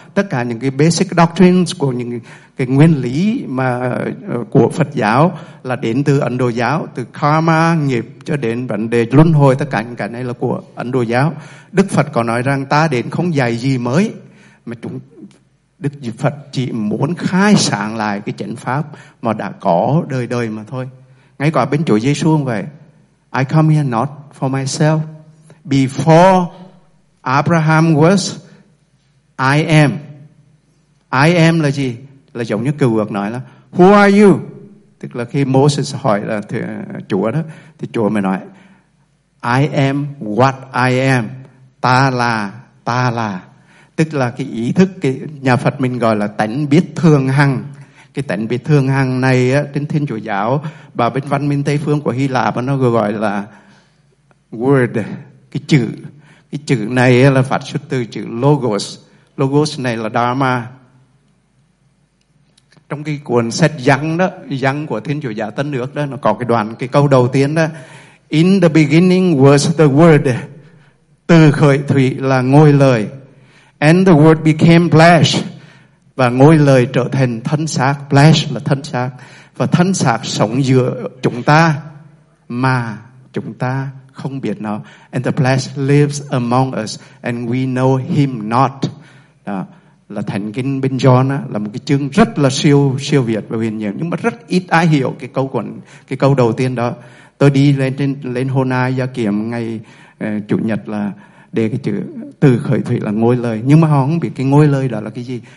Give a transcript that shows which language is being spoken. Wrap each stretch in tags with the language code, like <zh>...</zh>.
<vi>Tất cả những cái basic doctrines, của những cái nguyên lý mà của Phật giáo là đến từ Ấn Độ giáo, từ karma, nghiệp cho đến vấn đề luân hồi, tất cả những cái này là của Ấn Độ giáo. Đức Phật có nói rằng ta đến không dạy gì mới, mà chúng Đức Phật chỉ muốn khai sáng lại cái chánh pháp mà đã có đời đời mà thôi. Ngay cả bên Chúa Giê-xu cũng vậy.</vi> <en>I come here not for myself. Before Abraham was, I am. I am</en> <vi>là gì? Là giống như cựu ước nói là</vi> <en>Who are you?</en> <vi>Tức là khi Moses hỏi là Chúa đó, thì Chúa mới nói</vi> <en>I am what I am.</en> <vi>Ta là, ta là. Tức là cái ý thức, cái nhà Phật mình gọi là tánh biết thường hằng. Cái tánh biết thường hằng này á, trên Thiên Chúa giáo và bên văn minh Tây Phương của Hy Lạp, nó gọi là word, cái chữ. Cái chữ này á, là phát xuất từ chữ logos. Logos này là Dharma. Trong cái cuốn sách Giăng đó, Giăng của Thiên Chúa giáo Tân Ước đó, nó có cái đoạn, cái câu đầu tiên đó.</vi> <en>In the beginning was the word.</en> <vi>Từ khởi thủy là ngôi lời.</vi> <en>And the word became flesh.</en> <vi>Và ngôi lời trở thành thân xác, flesh là thân xác. Và thân xác sống giữa chúng ta mà chúng ta không biết nó.</vi> <en>And the flesh lives among us and we know him not.</en> <vi>Đó, là Thánh Kinh bên John á, là một cái chương rất là siêu siêu việt và huyền nhiệm. Nhưng mà rất ít ai hiểu cái câu đầu tiên đó. Tôi đi lên Hồ Na Gia Kiểm ngày Chủ Nhật là để cái chữ từ khởi thủy là ngôi lời, nhưng mà họ không biết cái ngôi lời đó là cái gì.</vi>